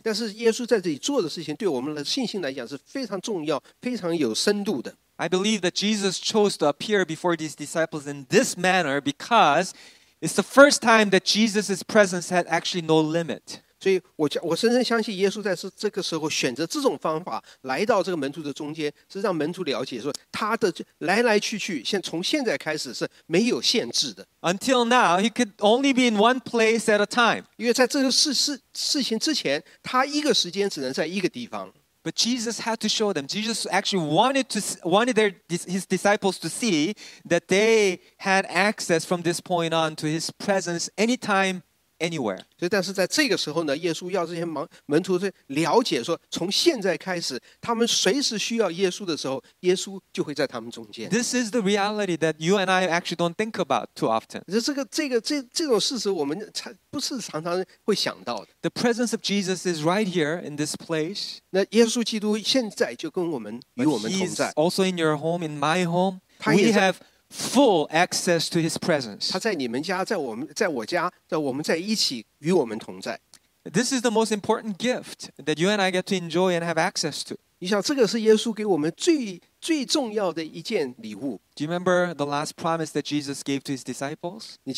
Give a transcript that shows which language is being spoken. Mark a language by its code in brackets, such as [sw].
[zh] 但是耶稣在这里做的事情，对我们的信心来讲是非常重要，非常有深度的。 [en] I believe that Jesus chose to appear before these disciples in this manner because it's the first time that Jesus' presence had actually no limit. [zh] 所以我深深相信耶稣在这个时候选择这种方法来到这个门徒的中间，是让门徒了解说他的来来去去从现在开始是没有限制的。 [en] Until now, he could only be in one place at a time. [zh] 因为在这个事情之前，他一个时间只能在一个地方。 [en] But Jesus had to show them. Jesus actually wanted their, his disciples to see that they had access from this point on to his presence anytime, anywhere. [zh] 但是在这个时候呢, 耶稣要这些门徒了解说, 从现在开始, 他们随时需要耶稣的时候, 耶稣就会在他们中间。 [en] This is the reality that you and I actually don't think about too often. [zh] 这种事实我们不是常常会想到的。 [en] The presence of Jesus is right here in this place. [zh] 那耶稣基督现在就跟我们, [en] but he's also in your home, in my home. We have full access to his presence. [zh] 他在你们家，在我们，在我家，在我们在一起，与我们同在。 [en] This is the most important gift that you and I get to enjoy and have access to. [zh] 你想，这个是耶稣给我们最重要的一件礼物。 [en] Do you remember the last promise that Jesus gave to his disciples?